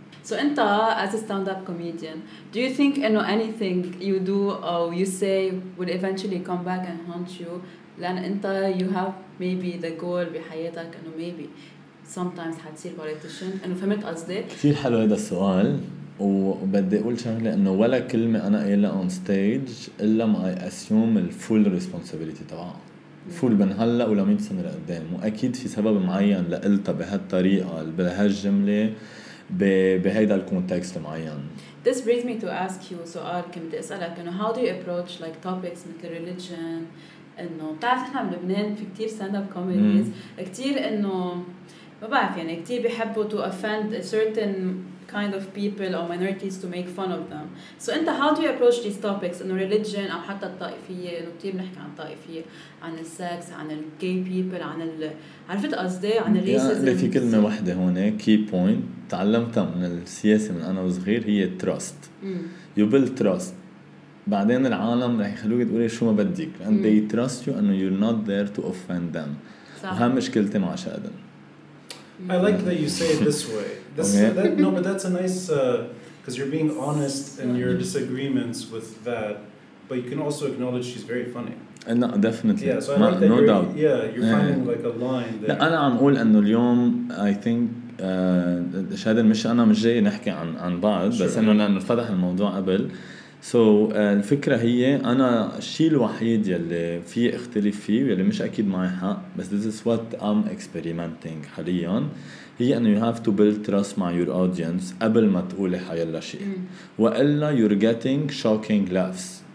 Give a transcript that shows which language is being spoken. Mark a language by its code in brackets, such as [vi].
[en] So, Inta, as a stand-up comedian, do you think anything you do or you say would eventually come back and haunt you? Then, Inta, you have maybe the goal in your life, and maybe sometimes you'll be a politician. And you've heard us there. [ar] كثير حلو هذا السؤال وبدي أقول شغلة إنه ولا كلمة أنا قايلها [en] on stage [ar] إلا ما [en] I assume the full responsibility [ar] تبعها. فول من هلا ولا 100 سنة لقدام وأكيد في سبب معين لقلتها بهالطريقة بهالجملة. بهيدا الكونتكست معين. [en] This brings me to ask you [ar] سؤال كم بدي أسألك إنه [en] how do you approach like topics مثل religion [ar] إنه بتعرف إحنا بلبنان في كتير [en] stand up comedies [ar] كتير إنه ما بعرف يعني كتير بيحبوا [en] to offend a certain kind of people or minorities to make fun of them. So [ar] أنت [en] how do you approach these topics [ar] إنه religion أو حتى الطائفية إنه كتير بنحكي عن الطائفية عن السكس عن الجاي people عن ال عرفت قصدي عن الريسيزم. [en] Yeah, [ar] اللي في كلمة واحدة هون [en] key point [ar] تعلمتها من السياسة من أنا وصغير هي trust. [en] You build trust. [ar] بعدين العالم رح يخلوك تقولي شو ما بديك. [en] And they trust you and you're not there to offend them. [ar] وهي مشكلتي مع شادن. [en] I like that you say it this way. But that's a nice... Because you're being honest in your disagreements with that. But you can also acknowledge she's very funny. No, definitely. Yeah, so I like that no doubt. Yeah, you're finding yeah. like a line there. [ar] لا, أنا عم أقول أنه اليوم, [en] I think... [ar] شادن مش أنا مش جاي نحكي عن بعض بس إنه لأنه فتح الموضوع قبل الفكرة هي أنا الشيء الوحيد يلي فيه اختلف فيه يلي مش أكيد معي حق بس [en] this is what I'm experimenting [ar] حاليا هي أنه [en] you have to build trust [ar] مع [en] your audience [ar] قبل ما تقولي حيلا شيء وإلا [en] you're getting shocking laughs.